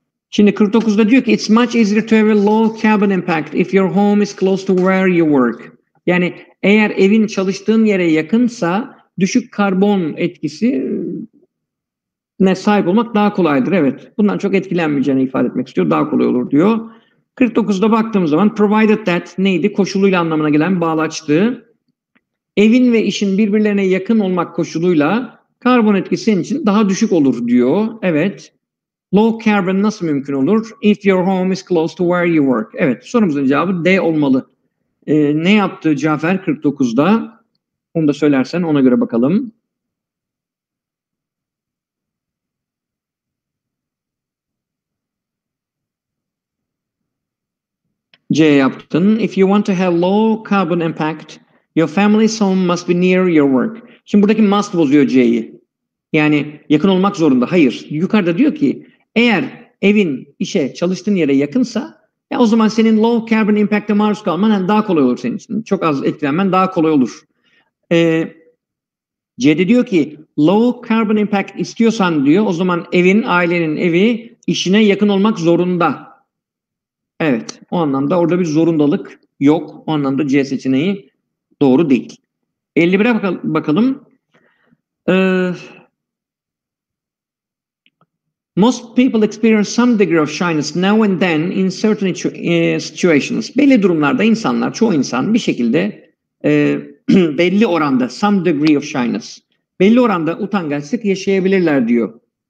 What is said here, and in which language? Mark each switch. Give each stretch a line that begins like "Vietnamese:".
Turkish: Şimdi 49'da diyor ki
English: it's much easier to have a low carbon impact if your home is close to where you work.
Turkish: Yani eğer evin çalıştığın yere yakınsa düşük karbon etkisine sahip olmak daha kolaydır. Evet, bundan çok etkilenmeyeceğini ifade etmek istiyor. Daha kolay olur diyor. 49'da baktığımız zaman provided that neydi? Koşuluyla anlamına gelen bağlaçtı. Evin ve işin birbirlerine yakın olmak koşuluyla karbon etkisi senin için daha düşük olur diyor. Evet. Low carbon nasıl mümkün olur?
English: If your home is close to where you work.
Turkish: Evet, sorumuzun cevabı D olmalı. Ne yaptı Cafer 49'da? Onu da söylersen ona göre bakalım. C yaptın.
English: If you want to have low carbon impact, your family's home must be near your work.
Turkish: Şimdi buradaki must bozuyor C'yi. Yani yakın olmak zorunda. Hayır. Yukarıda diyor ki eğer evin işe çalıştığın yere yakınsa ya o zaman senin low carbon impact'e maruz kalman yani daha kolay olur senin için. Çok az etkilenmen daha kolay olur. C'de diyor ki low carbon impact istiyorsan diyor o zaman evin, ailenin evi işine yakın olmak zorunda. Evet. O anlamda orada bir zorundalık yok. O anlamda C seçeneği doğru değil. 51'e bakalım.
English: Most people experience some degree of shyness now and then in certain situations.
Turkish: Belli durumlarda insanlar, çoğu insan bir şekilde belli oranda,
English: some degree of shyness,
Turkish: belli oranda utangaçlık yaşayabilirler diyor.